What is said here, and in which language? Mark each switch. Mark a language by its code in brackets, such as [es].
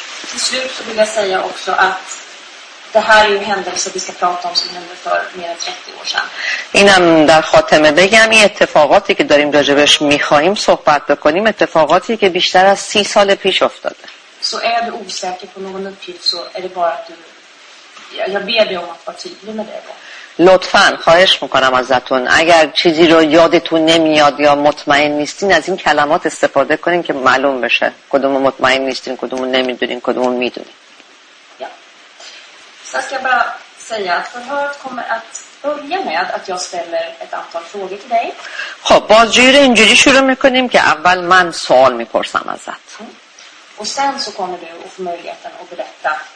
[sv] Till slut så vill jag säga också att det här är ju en händelse vi ska prata om som hände för mer än 30 år sedan. Innan där [fa] خاتمه بگم این اتفاقاتی که داریم راجبش می‌خوایم صحبت بکنیم اتفاقاتی که بیشتر از 30 سال پیش افتاده. [sv] Så är du osäker på någon uppgift så är det bara att du jag ber dig om att vara tydlig med det. [fa] لطفاً خواهش میکنم ازتون اگر چیزی رو یادتون نمیاد یا مطمئن نیستین از این کلمات استفاده کنین که معلوم بشه کدومو مطمئن نیستین کدومو نمیدونین کدومو میدونین [sv] Så ska jag bara säga att förhöret kommer att börja med att jag ställer ett antal frågor till dig. [fa] خب بازجویی رو اینجوری شروع میکنیم که اول من سوال میپرسم ازت. [sv] Och sen så kommer du att få möjligheten att berätta